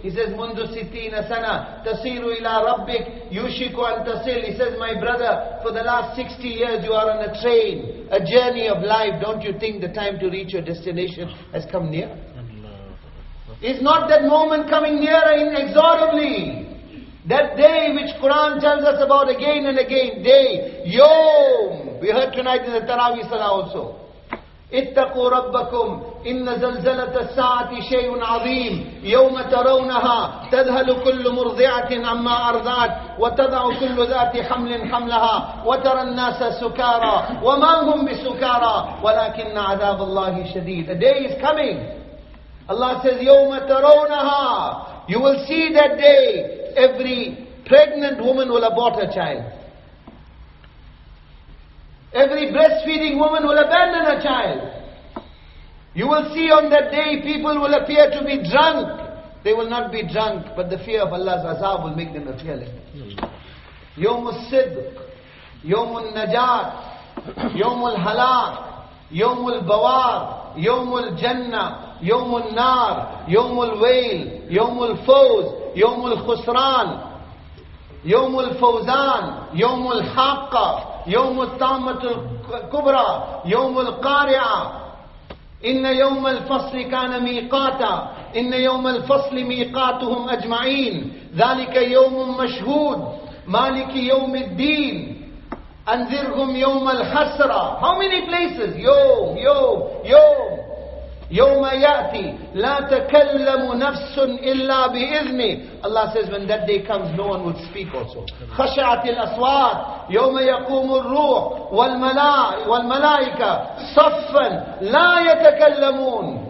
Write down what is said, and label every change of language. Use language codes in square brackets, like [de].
[en] He says, [ar] Mundu sitina sana, tasiru ila rabbik, yushiku an tasil. [en] He says, my brother, for the last 60 years you are on a train, a journey of life. Don't you think the time to reach your destination has come near? Is not that moment coming nearer inexorably? That day which Quran tells us about again and again, day, yom. We heard tonight in the Taraweeh Salah also. [ar] اتقوا ربكم إن زلزلة الساعة شيء عظيم يوم ترونها تذهل كل مرضعة عما أرضعت وتضع كل ذات حمل حملها وترى الناس سكارى وما هم بسكارى ولكن عذاب الله شديد. [en] A day is coming. Allah says [ar] يوم ترونها. [en] You will see that day. Every pregnant woman will abort her child. Every breastfeeding woman will abandon her child. You will see on that day people will appear to be drunk. They will not be drunk, but the fear of Allah's azab will make them appear like that. [ar] Yawmul Sidq, Yawmul Najat, Yawmul Halak, Yawmul Bawar, Yawmul Jannah, Yawmul Nar, Yawmul Wail, Yawmul Fawz, Yawmul Khusran, Yawmul Fawzan, Yawmul Haqqa, يوم الطامة الكبرى يوم القارعة إن يوم الفصل كان ميقاتا إن يوم الفصل ميقاتهم أجمعين ذلك يوم مشهود مالك يوم الدين أنذرهم يوم الحسرة. [en] How many places? [ar] يوم يوم يوم يوم يأتي لا تكلم نفس إلا بإذنه. [en] Allah says when that day comes no one will speak also. [ar] خشعت الأصوات يوم يقوم الروح والملائكة صفا لا يتكلمون.